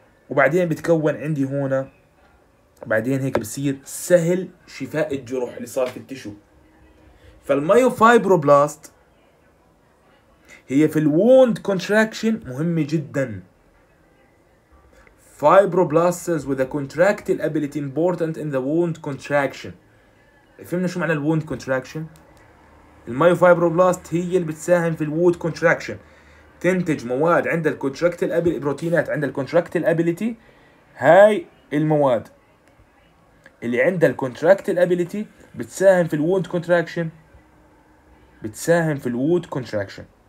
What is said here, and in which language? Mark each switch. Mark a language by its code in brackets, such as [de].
[ar] وبعدين بتكون عندي هون بعدين هيك بصير سهل شفاء الجروح اللي صار في التشو. فالمايوفايبروبلاست هي في الووند كونتراكشن مهمه جدا. [en] Fibroblasts with a contractile ability important in the wound contraction. [ar] فهمنا شو معنى الwound contraction؟ المايوفايبروبلاست هي اللي بتساهم في الwound contraction، تنتج مواد عند الcontractile ability، بروتينات عند الcontractile ability. هاي المواد اللي عند الcontractile ability بتساهم في الwound contraction، بتساهم في الwound contraction.